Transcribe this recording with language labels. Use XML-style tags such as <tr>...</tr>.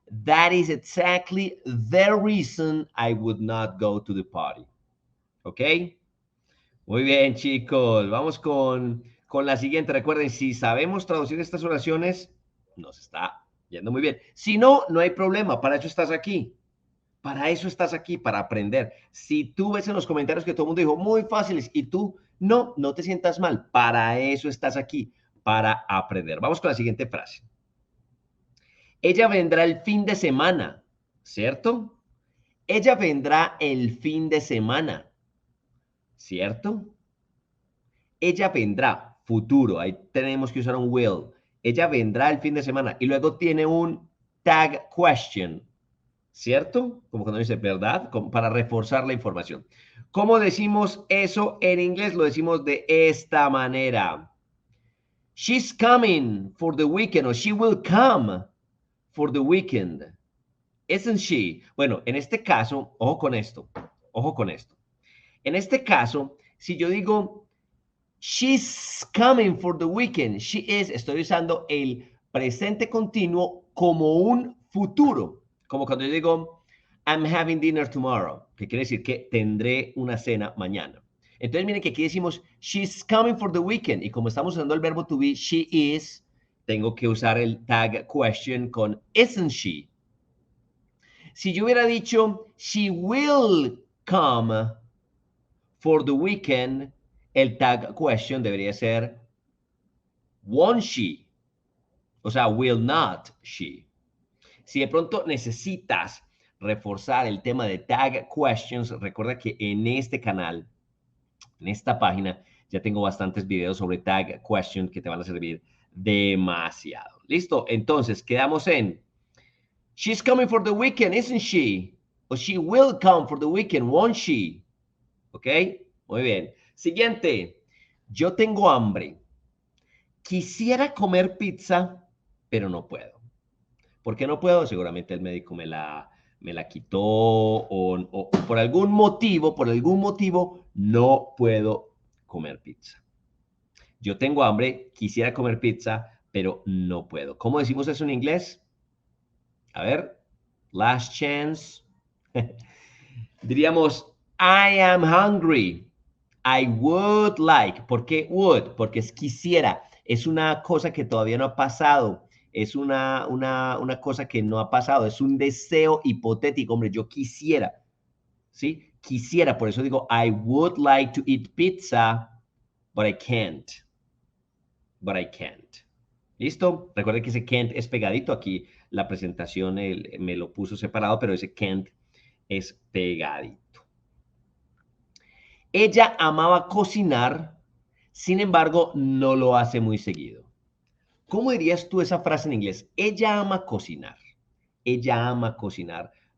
<en>That is exactly the reason I would not go to the party.</en> <es>¿Ok? Muy bien, chicos. Vamos con la siguiente. Recuerden, si sabemos traducir estas oraciones, nos está yendo muy bien. Si no, no hay problema. Para eso estás aquí. Para eso estás aquí, para aprender. Si tú ves en los comentarios que todo el mundo dijo muy fáciles y tú no, no te sientas mal. Para eso estás aquí, para aprender. Vamos con la siguiente frase. Ella vendrá el fin de semana. ¿Cierto? Ella vendrá el fin de semana. ¿Cierto? Ella vendrá, futuro. Ahí tenemos que usar un will. Ella vendrá el fin de semana. Y luego tiene un tag question. ¿Cierto? Como cuando dice verdad, como para reforzar la información. ¿Cómo decimos eso en inglés? Lo decimos de esta manera.</es> <en>She's coming for the weekend, or she will come for the weekend. Isn't she?</en> <es>Bueno, en este caso, ojo con esto, ojo con esto. En este caso, si yo digo,</es> <en>she's coming for the weekend, she is,</en> <es>estoy usando el presente continuo como un futuro. Como cuando yo digo,</es> <en>I'm having dinner tomorrow,</en> <es>que quiere decir que tendré una cena mañana. Entonces, miren que aquí decimos,</es> <en>she's coming for the weekend.</en> <es>Y como estamos usando el verbo to be,</es> <en>she is,</en> <es>tengo que usar el tag question con</es> <en>isn't she.</en> <es>Si yo hubiera dicho,</es> <en>she will come for the weekend,</en> <es>el tag question debería ser,</es> <en>won't she?</en> <es>O sea,</es> <en>will not she.</en> <es>Si de pronto necesitas reforzar el tema de tag questions, recuerda que en este canal, en esta página, ya tengo bastantes videos sobre tag questions que te van a servir demasiado. Listo, entonces quedamos en.</es> <en>She's coming for the weekend, isn't she? Or she will come for the weekend, won't she? ¿Ok?</en> <es>Muy bien. Siguiente. Yo tengo hambre. Quisiera comer pizza, pero no puedo. ¿Por qué no puedo? Seguramente el médico me la quitó o por algún motivo, no puedo comer pizza. Yo tengo hambre, quisiera comer pizza, pero no puedo. ¿Cómo decimos eso en inglés? A ver,</es> <en>last chance. Diríamos, I am hungry. I would like.</en> <es>¿Por qué</es> <en>would?</en> <es>Porque es quisiera. Es una cosa que todavía no ha pasado. Es una cosa que no ha pasado. Es un deseo hipotético. Hombre, yo quisiera. ¿Sí? Quisiera. Por eso digo,</es> <en>I would like to eat pizza, but I can't. But I can't.</en> <es>¿Listo? Recuerden que ese can't es pegadito. Aquí la presentación me lo puso separado, pero ese can't es pegadito. Ella amaba cocinar, sin embargo, no lo hace muy seguido. ¿Cómo dirías tú esa frase en inglés? Ella ama cocinar. Ella ama cocinar.</es>